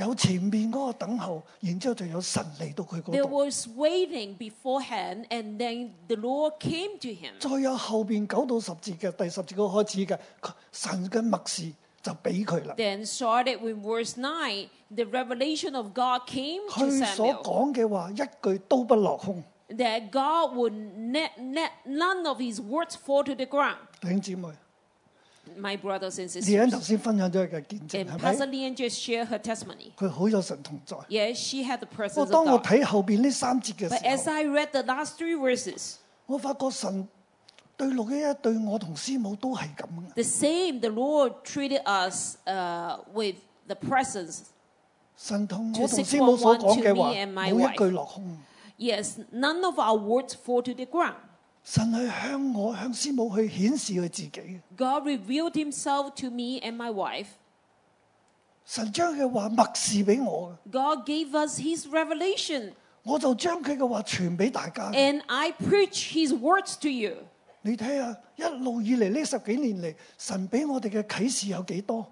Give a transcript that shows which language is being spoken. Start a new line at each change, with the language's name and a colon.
Cantonese: 有前面嗰個等候，然之後就有神嚟到佢嗰度。
English: There was waiting beforehand, and then the Lord came to him.
Cantonese: 再有後邊九到十節嘅第十節嗰開始嘅神嘅默示就俾佢啦。
English: Then started with verse 9, the revelation of God came to Samuel.
Cantonese: 佢所講嘅話一句都不落空。
English: That God would let none of his words fall to the ground.
Cantonese: 弟兄姊妹。
English: My brothers and sisters. 李恩
Cantonese: 頭先分享咗佢嘅見證，係咪？
English: Pastor Lian just share her testimony.
Cantonese: 佢好有神同在。
English: Yes, she had the presence of God.
Cantonese: 當我睇後邊呢三節嘅時候
English: ，But as I read the last three verses,
Cantonese: 我發覺神對六一一對我同師母都係咁嘅。
English: The same, the Lord treated us, with the presence.
Cantonese: 神同我同師母所講嘅話，冇一句落空。
English: Yes, none of our words fall to the ground.
Cantonese: 神去向我向师母去显示佢自己。
English: God revealed Himself to me and my wife.
Cantonese: 神将佢话默示俾我。
English: God gave us His revelation.
Cantonese: 我就将佢嘅话传俾大家。
English: And I preach His words to you.
Cantonese: 你睇下，一路以嚟呢十几年嚟，神俾我哋嘅启示有几多